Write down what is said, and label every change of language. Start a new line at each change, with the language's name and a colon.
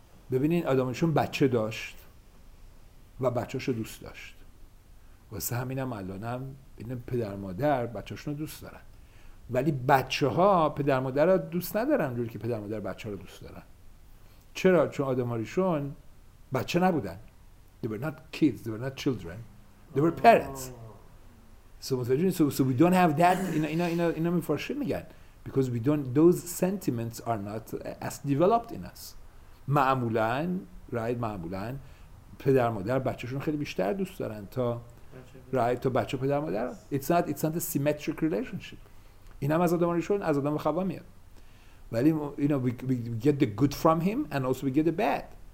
Persian: ببینین آدم آریشون بچه داشت و بچه‌اشو دوست داشت. واسه همینم الانم این پدر مادر بچه‌شون رو دوست دارن. ولی بچه‌ها پدر مادر رو دوست ندارن جوری که پدر مادر بچه‌ها رو دوست دارن. چرا؟ چون آدم‌هاشون بچه نبودن.
English: They were not kids, they were not children. They were parents. So we don't have that in a mufarshim میگن because we don't those sentiments are not as developed in us.
Persian: معمولاً right معمولاً پدر مادر بچه‌شون خیلی بیشتر دوست دارن تا right تو بچه پدر مادر
English: it's not a symmetric relationship.
Persian: این هم از آدم ریشون از آدم خواب میاد ولی you know
English: we get the good from him and also we get the bad.